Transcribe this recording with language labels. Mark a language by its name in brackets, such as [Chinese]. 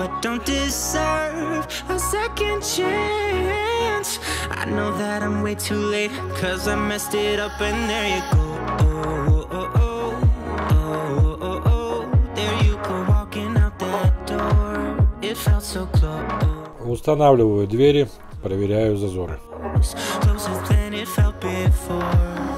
[English] I don't deserve a second chance. I know that I'm way too late, 'cause I messed it up and there you go. Oh, oh, oh, oh, oh, oh. There you go walking out that door. It felt so close. [Russian] Устанавливаю двери, проверяю зазоры. [English] Closer than it felt before.